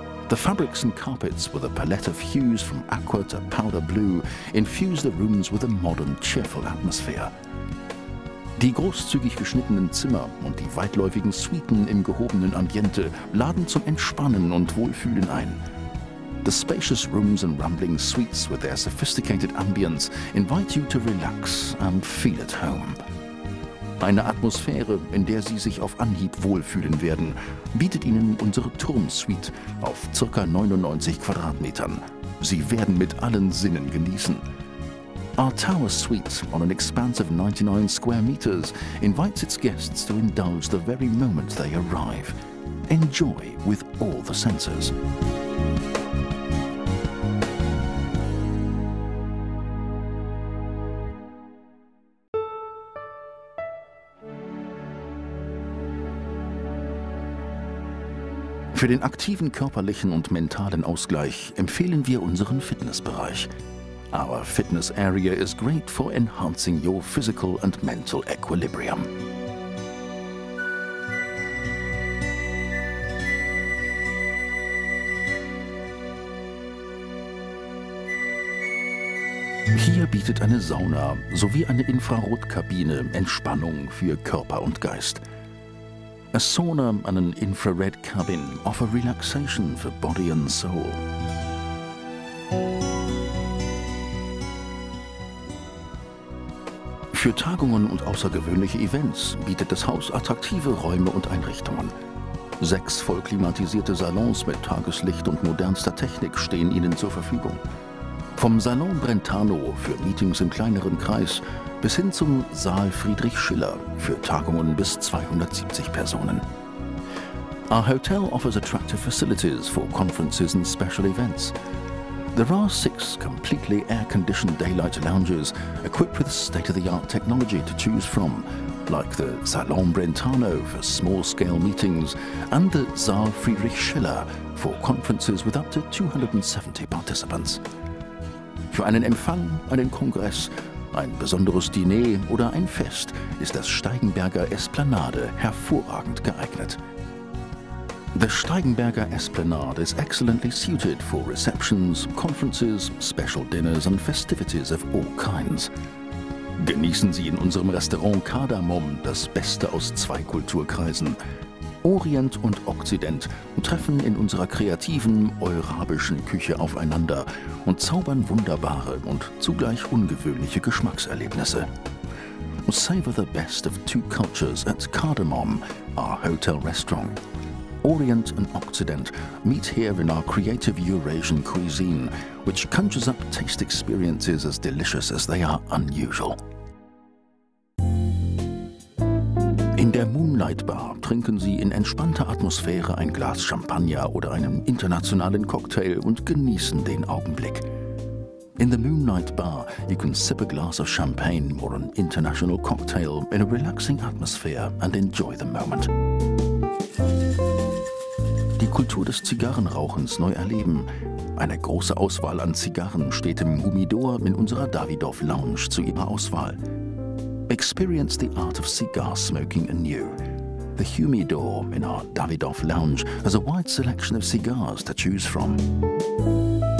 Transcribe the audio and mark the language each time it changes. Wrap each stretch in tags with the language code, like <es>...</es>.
<en>The fabrics and carpets with a palette of hues from aqua to powder blue infuse the rooms with a modern, cheerful atmosphere.</en> <de>Die großzügig geschnittenen Zimmer und die weitläufigen Suiten im gehobenen Ambiente laden zum Entspannen und Wohlfühlen ein.</de> <en>The spacious rooms and rambling suites with their sophisticated ambience invite you to relax and feel at home.</en> <de>Eine Atmosphäre, in der Sie sich auf Anhieb wohlfühlen werden, bietet Ihnen unsere Turmsuite auf ca. 99 Quadratmetern. Sie werden mit allen Sinnen genießen.</de> <en>Our tower suite on an expanse of 99 square meters invites its guests to indulge the very moment they arrive. Enjoy with all the senses.</en> <de>Für den aktiven körperlichen und mentalen Ausgleich empfehlen wir unseren Fitnessbereich.</de> <en>Our fitness area is great for enhancing your physical and mental equilibrium.</en> <de>Hier bietet eine Sauna sowie eine Infrarotkabine Entspannung für Körper und Geist.</de> <en>A sauna and an infrared cabin offer relaxation for body and soul.</en> <de>Für Tagungen und außergewöhnliche Events bietet das Haus attraktive Räume und Einrichtungen. 6 vollklimatisierte Salons mit Tageslicht und modernster Technik stehen Ihnen zur Verfügung. Vom Salon Brentano für Meetings im kleineren Kreis bis hin zum Saal Friedrich Schiller für Tagungen bis 270 Personen.</de> <en>Our hotel offers attractive facilities for conferences and special events. There are 6 completely air-conditioned daylight lounges equipped with state-of-the-art technology to choose from, like the Salon Brentano for small-scale meetings and the Saal Friedrich Schiller for conferences with up to 270 participants.</en> <de>Für einen Empfang, einen Kongress Ein besonderes Diner oder ein Fest ist das Steigenberger Esplanade hervorragend geeignet.</de> <en>The Steigenberger Esplanade is excellently suited for receptions, conferences, special dinners and festivities of all kinds.</en> <de>Genießen Sie in unserem Restaurant Kardamom das Beste aus zwei Kulturkreisen. Orient und Okzident treffen in unserer kreativen, eurabischen Küche aufeinander und zaubern wunderbare und zugleich ungewöhnliche Geschmackserlebnisse.</de> <en>Savor the best of two cultures at Kardamom, our hotel restaurant. Orient and Occident meet here in our creative Eurasian cuisine, which conjures up taste experiences as delicious as they are unusual.</en> <de>In der Moonlight Bar trinken Sie in entspannter Atmosphäre ein Glas Champagner oder einen internationalen Cocktail und genießen den Augenblick.</de> <en>In the Moonlight Bar, you can sip a glass of champagne or an international cocktail in a relaxing atmosphere and enjoy the moment.</en> <de>Die Kultur des Zigarrenrauchens neu erleben. Eine große Auswahl an Zigarren steht im Humidor in unserer Davidoff Lounge zu Ihrer Auswahl.</de> <en>Experience the art of cigar smoking anew. The Humidor in our Davidoff Lounge has a wide selection of cigars to choose from.</en>